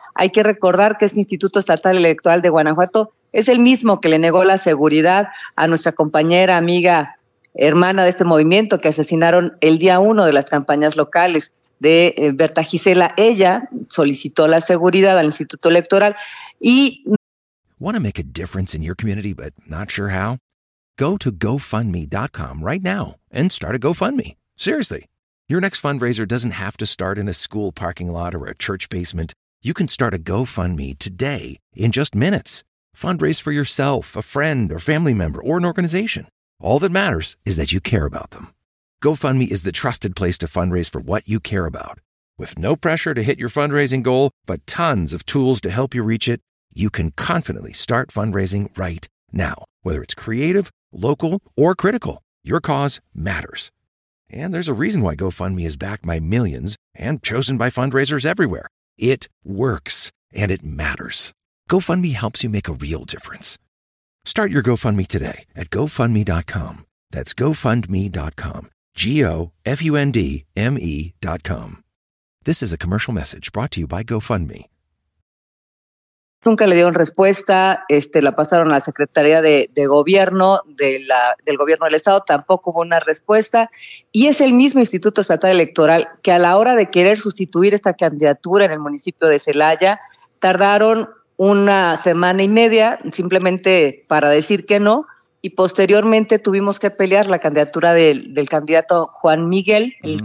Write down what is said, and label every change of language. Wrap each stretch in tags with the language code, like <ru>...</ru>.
<es>Hay que recordar que este Instituto Estatal Electoral de Guanajuato es el mismo que le negó la seguridad a nuestra compañera, amiga, hermana de este movimiento, que asesinaron el día uno de las campañas locales de Berta Gisela. Ella solicitó la seguridad al Instituto Electoral y...</es> <en>Want to make a difference in your community but not sure how? Go to GoFundMe.com right now and start a GoFundMe. Seriously, your next fundraiser doesn't have to start in a school parking lot or a church basement. You can start a GoFundMe today in just minutes. Fundraise for yourself, a friend, or family member, or an organization. All that matters is that you care about them. GoFundMe is the trusted place to fundraise for what you care about. With no pressure to hit your fundraising goal, but tons of tools to help you reach it, you can confidently start fundraising right now. Whether it's creative, local, or critical, your cause matters. And there's a reason why GoFundMe is backed by millions and chosen by fundraisers everywhere. It works, and it matters. GoFundMe helps you make a real difference. Start your GoFundMe today at GoFundMe.com. That's GoFundMe.com. GoFundMe.com. This is a commercial message brought to you by GoFundMe.</en> <es>Nunca le dieron respuesta, la pasaron a la Secretaría de Gobierno del Gobierno del Estado, tampoco hubo una respuesta, y es el mismo Instituto Estatal Electoral que a la hora de querer sustituir esta candidatura en el municipio de Celaya, tardaron una semana y media simplemente para decir que no, y posteriormente tuvimos que pelear la candidatura del candidato Juan Miguel, el uh-huh.</es>